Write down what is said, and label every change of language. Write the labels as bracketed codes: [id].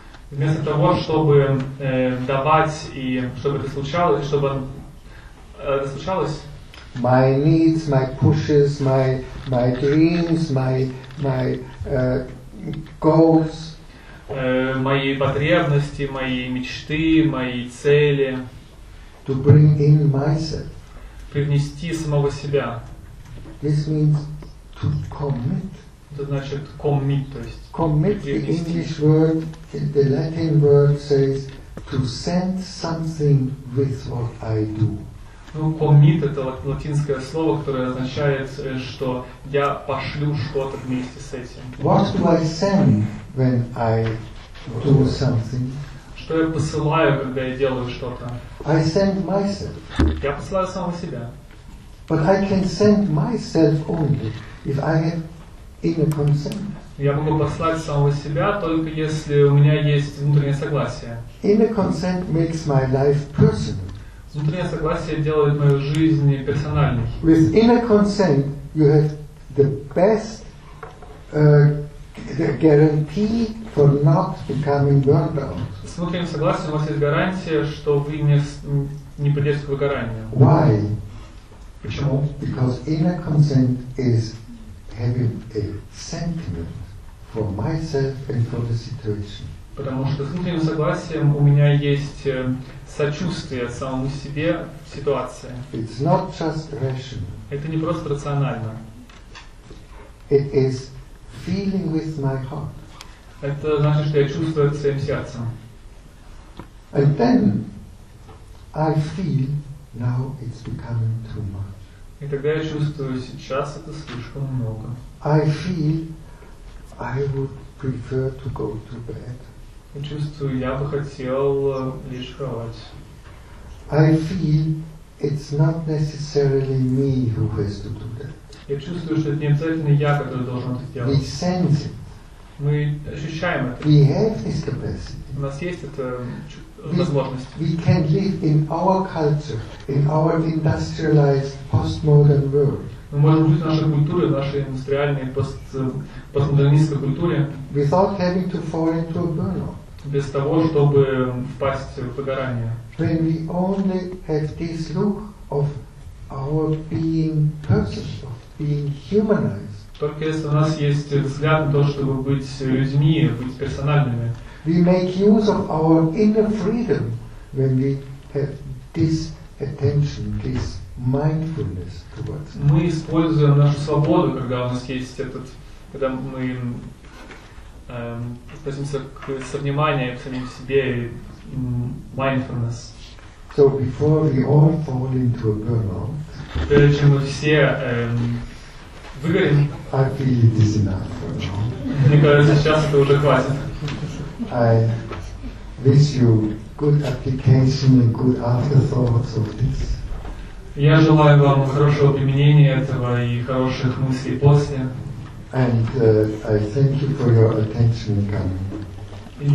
[ru] Вместо того, чтобы давать и чтобы это случалось, чтобы это случалось. [en] My needs, my pushes, my dreams, my goals. [ru] Мои потребности, мои мечты, мои цели. [en] To bring in myself. [ru] Привнести самого себя. [en] This means to commit. [ru] Это значит commit, то есть. [en] Commit, the English word, the Latin word says to send something with what I do. [ru] Ну, commit – это латинское слово, которое означает, что я пошлю что-то вместе с этим. [en] What do I send when I do something? [ru] Что я посылаю, когда я делаю что-то? [en] I send myself. [ru] Я посылаю самого себя. [en] But I can send myself only if I have inner consent. [ru] Я могу послать самого себя только если у меня есть внутреннее согласие. [en] Inner consent makes my life personal. [ru] Внутреннее согласие делает мою жизнь персональной. [en] With inner consent, you have the best guarantee for not becoming burned out. [ru] С внутренним согласием у вас есть гарантия, что вы не придете к выгоранию. [en] Why? [ru] Почему? [en] Because inner consent is having a sentiment for myself and for the situation. [ru] Потому что с внутренним согласием у меня есть сочувствие самому себе в ситуации. [en] It's not just rational. [ru] Это не просто рационально. [en] It is feeling with my heart. [ru] Это значит, что я чувствую это своим сердцем. [en] And then I feel now it's becoming too much. [ru] И тогда я чувствую, сейчас это слишком много. [en] I feel I would prefer to go to bed. [ru] Я чувствую, я бы хотел лечь в кровать. [en] I feel it's not necessarily me who has to do that. [ru] Я чувствую, что это не обязательно я, который должен это делать. [en] We sense it. [ru] Мы ощущаем это. [en] We have this capacity. [ru] У нас есть эта возможность. [en] We can live in our culture, in our industrialized postmodern world. [ru] Мы можем жить в нашей культуре, в нашей индустриальной постмодернистской культуре. [en] Without having to fall into a burnout. [ru] Без того, чтобы впасть в выгорание. [en] When we only have this look of our being person, of being humanized. [ru] Только если у нас есть взгляд на то, чтобы быть людьми, быть персональными. [en] We make use of our inner freedom when we have this attention, this mindfulness towards. [ru] Мы используем нашу свободу, когда у нас есть этот, когда мы относимся к вниманию к самим себе и mindfulness. [en] So before we all fall into a burnout, [ru] прежде чем мы все выгорим, [en] I feel it is enough for now. [ru] Мне кажется, сейчас это уже хватит. [en] I wish you good application and good afterthoughts of this. [ru] Я желаю вам хорошего применения этого и хороших мыслей после. [en] And I thank you for your attention and coming.